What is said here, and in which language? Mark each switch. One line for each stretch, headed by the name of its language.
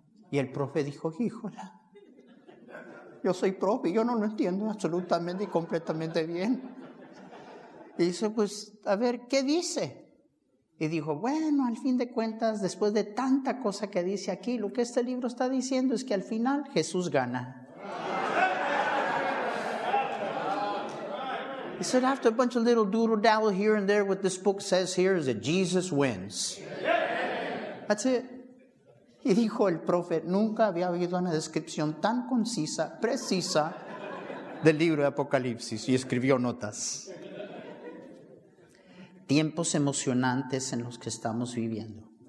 Spanish: Y el profe dijo, híjola, yo soy profe, yo no lo entiendo absolutamente y completamente bien. Y dice, pues, a ver, ¿qué dice? Y dijo, bueno, al fin de cuentas, después de tanta cosa que dice aquí, lo que este libro está diciendo es que al final Jesús gana.
English: He said, after a bunch of little doodle-dowel here and there, what this book says here is that Jesus wins. That's it.
Spanish: Y dijo el profe, nunca había oído una descripción tan concisa, precisa, del libro de Apocalipsis. Y escribió notas. Tiempos emocionantes en los que estamos viviendo.